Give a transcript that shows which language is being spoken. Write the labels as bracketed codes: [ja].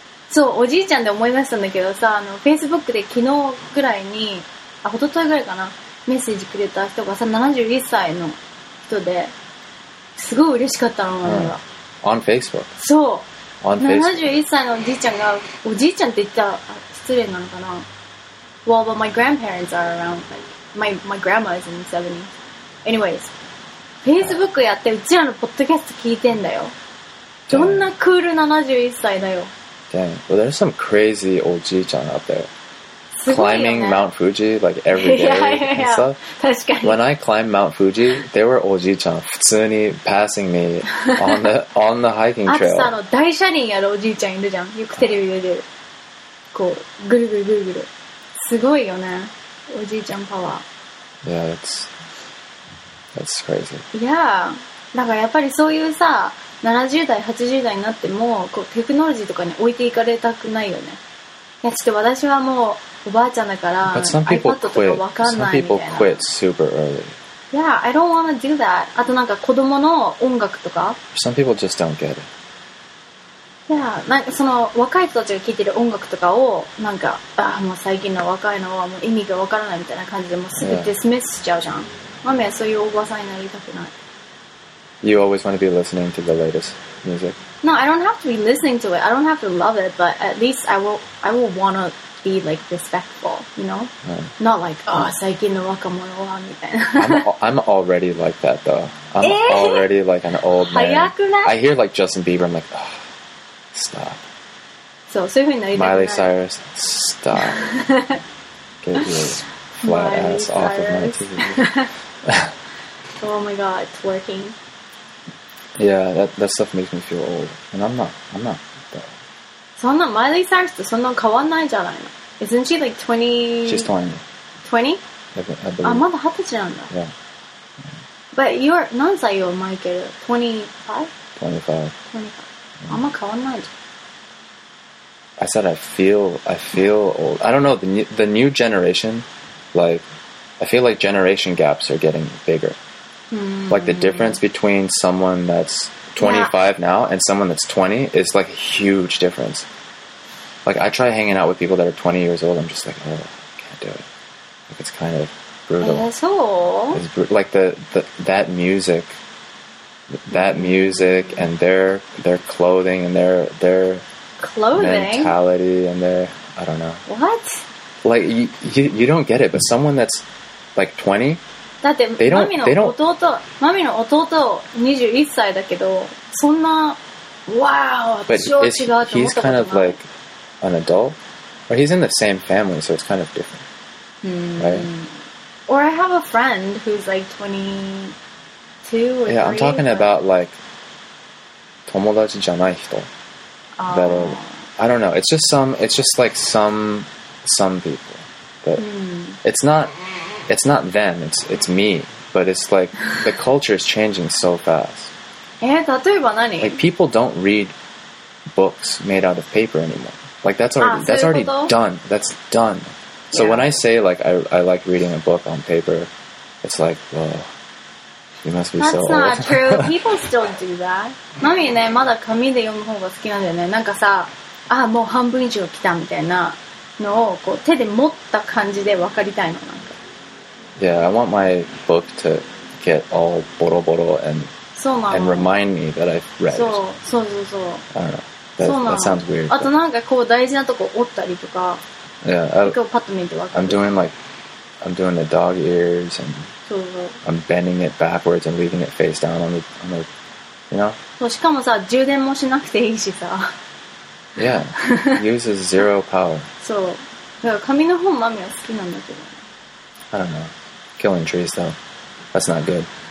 [ja] そう、おじいちゃんで思い出したんだけどさ、あの、Facebook で昨日ぐらいに、あ、一昨日ぐらいかな、メッセージくれた人がさ、71歳の人で、すごい嬉しかったの、俺は。 [en] On Facebook? [ja] そう。 [en] On Facebook? [ja] 71歳のおじいちゃんが、おじいちゃんって言ったら失礼なのかな。 [en] Well, but my grandparents are around, like, my grandma is in the 70s. [ja] Anyways, Facebook やって、うちらのポッドキャスト聞いてんだよ。どんなクール71歳だよ。 [en] Dang. Well, there's some crazy おじいちゃん out there. [ja] すごいよね。 [en] Climbing Mount Fuji, like, every day yeah. and stuff. [ja] 確かに。 [en] When I climbed Mount Fuji, there were [ja] おじいちゃん普通に [en] passing me on the hiking trail. [ja] あつさの大車輪やるおじいちゃんいるじゃん。よくテレビ出てる。こう、ぐるぐるぐるぐる。すごいよね。おじいちゃんパワー。 [en] Yeah, that's crazy. Yeah. [ja] だからやっぱりそういうさ、70代80代になってもこうテクノロジーとかに置いていかれたくないよね。いやちょっと私はもうおばあちゃんだから iPad とか分かんないみたいな。 [en] Some people quit super early. Yeah, I don't want to do that. [ja] あとなんか子供の音楽とか。 [en] Some people just don't get it. [ja] なんかその若い人たちが聴いてる音楽とかをなんか、ああもう最近の若いのはもう意味がわからないみたいな感じでもうすぐディスミスしちゃうじゃん。マミはそういうおばさんになりたくない。 [en] You always want to be listening to the latest music. No, I don't have to be listening to it. I don't have to love it, but at least I will want to be like respectful, you know? Yeah. Not like, oh, [ja] 最近の若者はみたい [en] な。I'm already like that though. I'm already like an old man. [ja] 早くない? [en] I hear like Justin Bieber, I'm like, oh, stop. [ja] So, そういうふうになりたくない。 [en] Miley Cyrus, stop. Get your flat ass off of my TV. Oh my god, it's working. Yeah, that stuff makes me feel old. And I'm not that. [ja] そんな、Miley Cyrus ってそんな変わんないじゃないの? [en] Isn't she like 20? She's 20. 20? I believe. [ja] まだ20歳なんだ。 [en] Yeah. But you're, [ja] 何歳よ、マイケル?25? [en] 25. [ja] あんま変わんないじゃん。 [en] I said I feel old. I don't know, the new generation, like, I feel like generation gaps are getting bigger. Like the difference between someone that's 25 now and someone that's 20 is like a huge difference. Like I try hanging out with people that are 20 years old, I'm just like, oh, I can't do it. Like it's kind of brutal. Like that music and their clothing and their clothing mentality and their, I don't know. What? Like you don't get it, but someone that's like 20, [ja] だってマミの弟21歳だけどそんなわー超違うと思ったことない。 [en] He's kind of like an adult, or he's in the same family, so it's kind of different, right? Or I have a friend who's like 22 or 23. Yeah, I'm talking about like [ja] 友達じゃない人 [en] that are, I don't know. It's just like some people, but it's not. It's not them, it's me. But it's like, the culture is changing so fast. [ja] 例えば何? [en] Like, people don't read books made out of paper anymore. Like, that's already done. That's done. So when I say, like, I like reading a book on paper, it's like, whoa, you must be so old. That's not true. People still do that. Mommy, ね、 [ja] まだ紙で読む方が好きなんだよね。なんかさ、あ、もう半分以上来たみたいなのをこう手で持った感じで分かりたいの。 [en] Yeah, I want my book to get all boro boro and remind me that I've read. So. I don't know. That sounds weird. [ja] あとなんかこう大事なとこ折ったりとか。 [en] Yeah, I'm doing the dog ears and I'm bending it backwards and leaving it face down on the, you know? [ja] そう、しかもさ、充電もしなくていいしさ。 [en] Yeah, uses zero power. [ja] そう。だから紙の本マミは好きなんだけど。 [en] I don't know. Killing trees, though. That's not good.